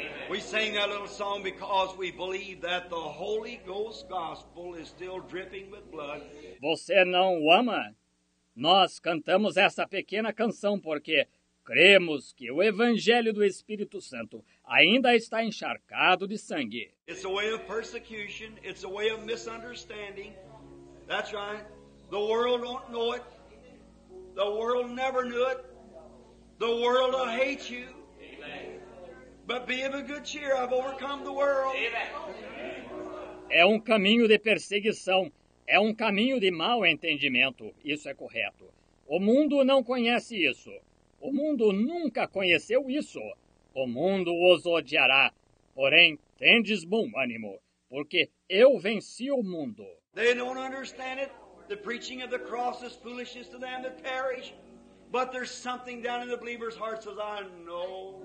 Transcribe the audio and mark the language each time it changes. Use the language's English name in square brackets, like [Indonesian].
[English] We sing that little song because we believe that the Holy Ghost gospel is still dripping with blood. [Portuguese] Você não o ama? Nós cantamos essa pequena canção porque cremos que o evangelho do Espírito Santo ainda está encharcado de sangue. [English] It's a way of persecution, it's a way of misunderstanding. That's right. The world don't know it. The world never knew it. The world will hate you. But be of a good cheer, I've overcome the world. [Portuguese] É um caminho de perseguição, é um caminho de mau entendimento, isso é correto. O mundo não conhece isso, o mundo nunca conheceu isso. O mundo os odiará, porém, tendes bom ânimo, porque eu venci o mundo. [English] They don't understand it, the preaching of the cross is foolishness to them that perish. But there's something down in the believer's heart says, I know.